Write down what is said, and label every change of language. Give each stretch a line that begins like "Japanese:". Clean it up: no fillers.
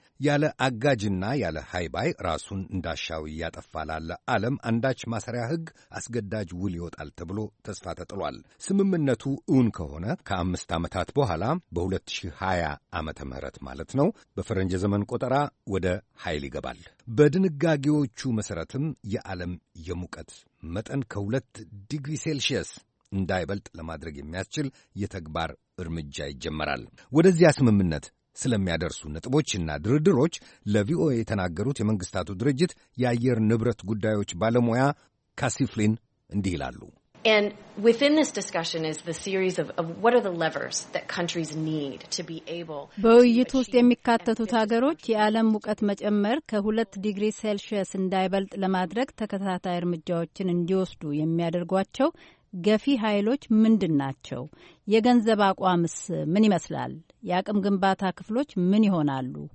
Amharic: ያለ አጋጅና ያለ ሃይባይ ራሱን እንዳሻው ያጠፋል አለ ዓለም አንዳች ማሰሪያ ህግ አስገዳጅ ውል ይወጣል ተብሎ ተስፋ ተጥሏል። ስምምነቱ እውን ከሆነ ከአምስት ዓመታት በኋላ በ2020 ዓመተ ምህረት ማለት ነው በፈረንጅ ዘመን ቆጠራ ወደ ኃይል ይገባል። በድንጋጌዎቹ መሰረትም የዓለም የሙቀት መጠን ከሁለት ዲግሪ ሴልሺየስ እንዳይበልጥ ለማድረግ የሚያስችል የተግባር እርምጃ ይጀመራል። ወደዚያ ስምምነት ስለሚያደርሱ ነጥቦችና ድርድሮች ለቪኦኤ የተናገሩት የመንግስታቱ ድርጅት የአየር ንብረት ጉዳዮች ባለሙያ ካሲ ፍሊን እንዲህ ይላሉ።
English: And within this discussion is the series of what are the levers that countries need to be able to
Amharic: በውይይቱ ውስጥ የሚካተቱት ሀገሮች የዓለም ሙቀት መጨመር ከሁለት ዲግሪ ሴልሺየስ እንዳይበልጥ ለማድረግ ተከታታይ እርምጃዎችን እንዲወስዱ የሚያደርጓቸው ገፊ ኃይሎች ምንድን ናቸው? የገንዘብ አቋምስ ምን ይመስላል? የአቅም ግንባታ ክፍሎች ምን ይሆናሉ?